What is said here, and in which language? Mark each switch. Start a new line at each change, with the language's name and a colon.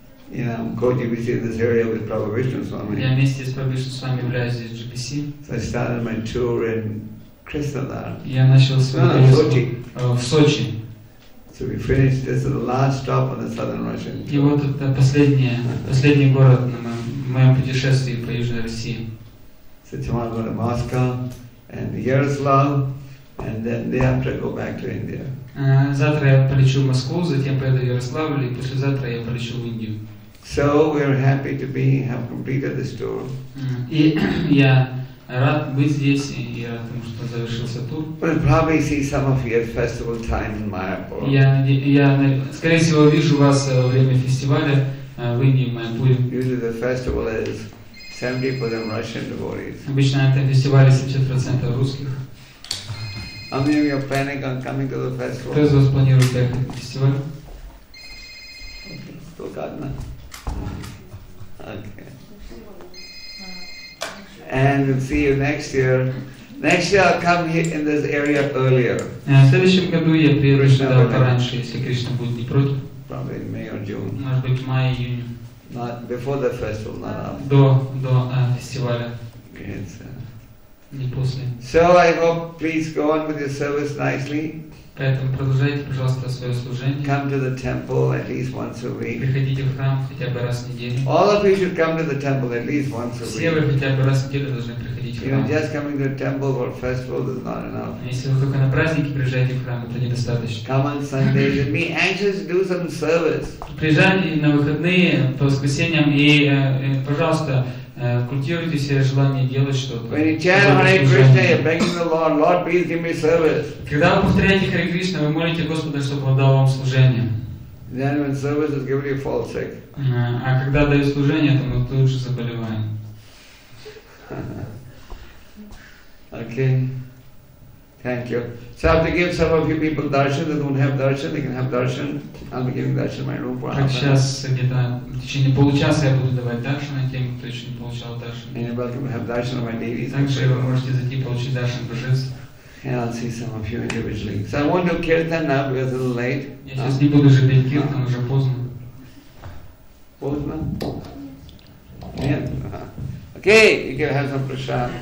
English: You know, I'm co-GBC in this area with Prabhupada Vishnu Swami.
Russian: Я вместе с Прабхупадой Свами являюсь здесь GBC.
English: So I started my tour in Krasnodar.
Russian: Я начал свой тур в Сочи.
English: So we finished. This is the last stop on the southern Russian tour.
Russian: И вот это последний город на моем путешествии по Южной России.
English: So tomorrow I go to Moscow and Yaroslav, and then the day after I go back to India.
Russian: Завтра я полечу в Москву, затем поеду в Ярославль, и послезавтра я полечу в Индию.
English: So we are happy to be have completed this tour.
Russian: И я рад быть здесь, и я рад тому, что завершился тур.
English: We'll probably see some of your festival time in Mayapur.
Russian: Я скорее всего вижу вас во время фестиваля в Индии, в Майяпуре.
English: Usually the festival is 70% Russian devotees.
Russian: Обычно это фестиваль 70% русских.
English: How many of you are planning on coming to the festival?
Russian: Кто из вас планирует ехать на фестиваль? Только одна.
English: Okay. And we'll see you next year. Next year I'll come here in this area earlier.
Russian: В следующем году я приеду сюда пораньше, если Кришна будет не против.
English: Probably May or June.
Russian: Может быть, май, июнь.
English: Not before the festival, not after.
Russian: До фестиваля.
English: Yes.
Russian: Не после.
English: So I hope please go on with your service nicely.
Russian: Поэтому продолжайте, пожалуйста, свое служение.
English: Come to the temple at least once a week.
Russian: Приходите в храм хотя бы раз в неделю.
English: All of you should come to the temple at least once a week.
Russian: Все вы хотя бы раз в неделю должны приходить в храм.
English: You know, just coming to the temple or festival is not enough.
Russian: Если вы только на праздники приезжаете в храм, это недостаточно.
English: Come on Sundays and be anxious to do some service.
Russian: Приезжайте на выходные по воскресеньям и, пожалуйста. Культивируйте себе желание делать что-то.
English: When you chant Hare Krishna, you're begging the Lord, Lord, please give me service.
Russian: Когда вы повторяете Харе Кришна, вы молите Господа, чтобы Он дал вам служение.
English: Then when service is given, you fall sick.
Russian: А когда дают служение, то мы тут же заболеваем.
English: Okay. Thank you. So I have to give some of you people darshan. They don't have darshan. They can have darshan. I'll be giving darshan in my room for half an hour.
Russian: Сейчас где-то в течение получаса я буду давать darshan тем, кто еще не получал darshan.
English: And you're welcome to have darshan of my devotees.
Russian: Также вы можете зайти получить darshan божеств.
English: And I'll see some of you individually. So I won't do kirtan now because it's a little late.
Russian: Я сейчас не буду же петь kirtan, уже поздно. Поздно?
English: Yeah. Okay, you can have some prasad.